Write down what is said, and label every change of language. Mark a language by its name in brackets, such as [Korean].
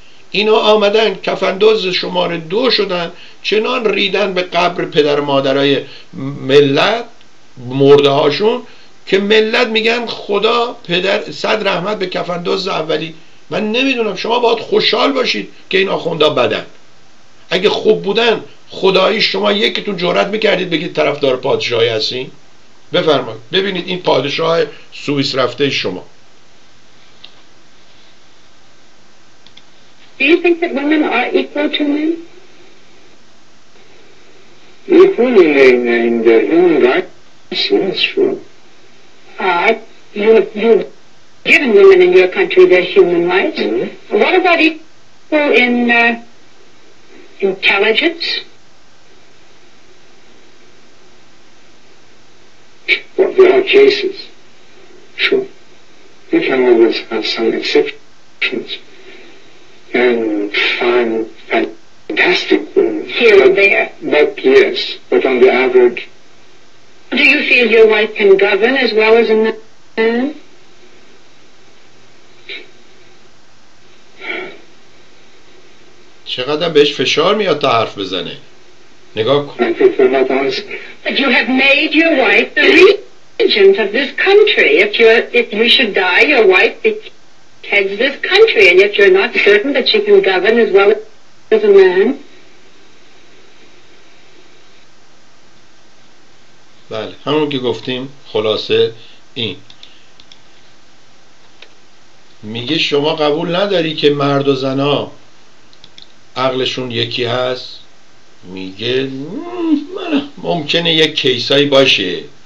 [Persian] اینا آمدن کفندوز شماره دو شدن، چنان ریدن به قبر پدر و مادرای ملت مرده هاشون که ملت میگن خدا پدر صد رحمت به کفندوز اولی. من نمیدونم، شما باید خوشحال باشید که این آخوندها بدن. اگه خوب بودن خدایی شما یکیتون جرأت میکردید بگید طرفدار پادشاهی هستین؟ بفرمایید ببینید این پادشاه سوئیس رفته شما. [English] Do you think that women are equal to men? Equal in the human rights? Yes, sure. You've given women in your country their human rights. Mm-hmm. What about equal in intelligence? Well, there are cases. Sure. Different women have some exceptions. And find fantastic things here and there. But yes, but on the average. Do you feel your wife can govern as well as in the man? [Persian] چقدر بهش فشار میاد تا حرف بزنه؟ نگاه کن. [English] But you have made your wife the regent of this country. If you should die, your wife becomes heads this country, and yet you're not certain that she can govern as well as a man. [Persian] بله، همون که گفتیم خلاصه این میگه شما قبول نداری که مرد و زنا عقلشون یکی هست. میگه ممکنه یک کیسایی باشه.